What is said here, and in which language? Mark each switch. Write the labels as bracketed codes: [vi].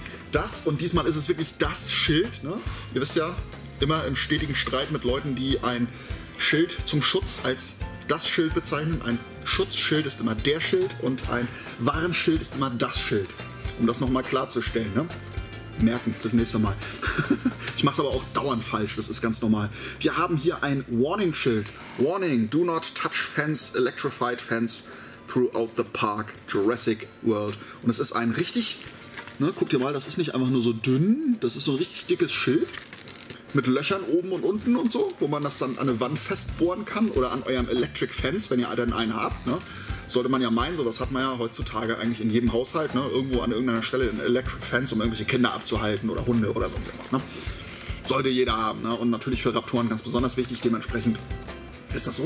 [de] Das und diesmal ist es wirklich das Schild. Ne? Ihr wisst ja, immer im stetigen Streit mit Leuten, die ein Schild zum Schutz als das Schild bezeichnen. Ein Schutzschild ist immer der Schild und ein Warenschild ist immer das Schild. Um das nochmal klarzustellen. Ne? Merken, das nächste Mal. Ich mache es aber auch dauernd falsch, das ist ganz normal. Wir haben hier ein Warning-Schild. [en] Warning, do not touch fence, electrified fence throughout the park, Jurassic World. [de] Und es ist ein richtig, ne, guck dir mal, das ist nicht einfach nur so dünn, das ist so ein richtig dickes Schild mit Löchern oben und unten und so, wo man das dann an eine Wand festbohren kann oder an eurem Electric Fence, wenn ihr dann einen habt, ne. Sollte man ja meinen, so das hat man ja heutzutage eigentlich in jedem Haushalt, ne? Irgendwo an irgendeiner Stelle ein Electric Fence, um irgendwelche Kinder abzuhalten oder Hunde oder sonst irgendwas. Ne? Sollte jeder haben, ne? Und natürlich für Raptoren ganz besonders wichtig, dementsprechend Ist das so?